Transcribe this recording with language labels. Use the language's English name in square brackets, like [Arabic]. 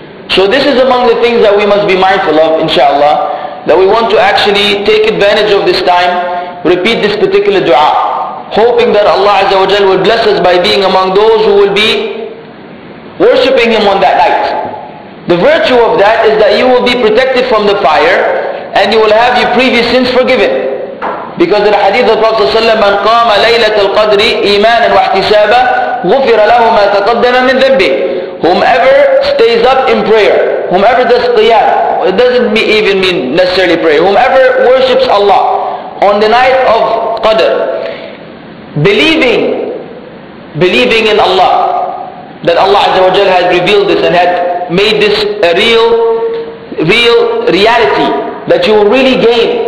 [English] So this is among the things that we must be mindful of, inshallah, that we want to actually take advantage of this time. Repeat this particular dua, hoping that Allah Azza wa Jal will bless us by being among those who will be worshipping Him on that night. The virtue of that is that you will be protected from the fire and you will have your previous sins forgiven. Because in the hadith of the Prophet ﷺ, [Arabic] من قام ليلة القدر إيمانا واحتسابا غفر له ما تقدم من ذنبه. [English] Whomever stays up in prayer, whomever does qiyam, it doesn't even mean necessarily prayer, whomever worships Allah on the night of Qadr, believing in Allah, that Allah Azza wa Jal has revealed this and had made this a real reality, that you will really gain.